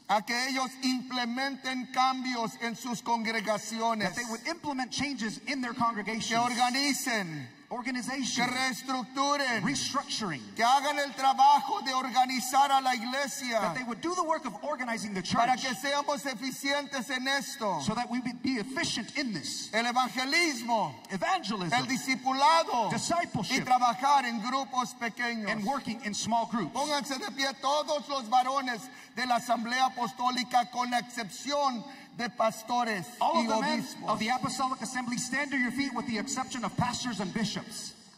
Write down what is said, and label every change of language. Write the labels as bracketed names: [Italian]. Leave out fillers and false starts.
[Spanish] a que ellos implementen cambios en sus congregaciones. [English] That they would implement changes in their congregations. [Spanish] Que organicen. [English] Organization. [Spanish] Que reestructuren. [English] Restructuring. [Spanish] Que hagan el trabajo de organizar a la iglesia. [English] That they would do the work of organizing the church. [Spanish] Para que seamos eficientes en esto. [English] So that we would be efficient in this. [Spanish] El evangelismo. [English] Evangelism. [Spanish] El discipulado. [English] Discipleship. [Spanish] Y trabajar en grupos pequeños. [English] And working in small groups. [Spanish] Pónganse de pie todos los varones de la Asamblea Apostólica con la excepción de pastores y obispos. [English] All of the men of the Apostolic Assembly, stand to your feet with the exception of pastors and bishops.